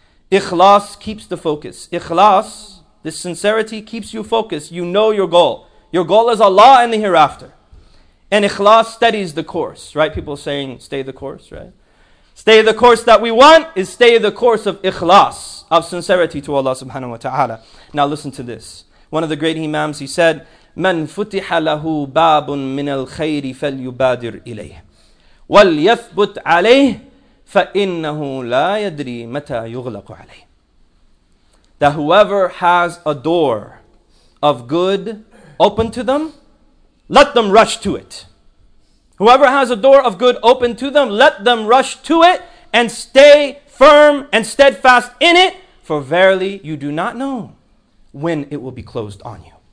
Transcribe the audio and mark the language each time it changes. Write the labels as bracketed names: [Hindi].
[English] Ikhlas keeps the focus. Ikhlas, this sincerity, keeps you focused. You know your goal. Your goal is Allah and the hereafter. And ikhlas steadies the course, right? People saying, stay the course, right? Stay the course that we want is stay the course of ikhlas, of sincerity to Allah subhanahu wa ta'ala. Now listen to this. One of the great imams, he said, [Arabic] مَنْ فُتِحَ لَهُ بَابٌ مِنَ الْخَيْرِ فَلْيُبَادِرْ إِلَيْهِ وَلْيَثْبُتْ عَلَيْهِ فَإِنَّهُ لَا يَدْرِي مَتَى يُغْلَقُ عَلَيْهِ. [English] That whoever has a door of good open to them, let them rush to it. Whoever has a door of good open to them, let them rush to it and stay firm and steadfast in it. For verily, you do not know when it will be closed on you.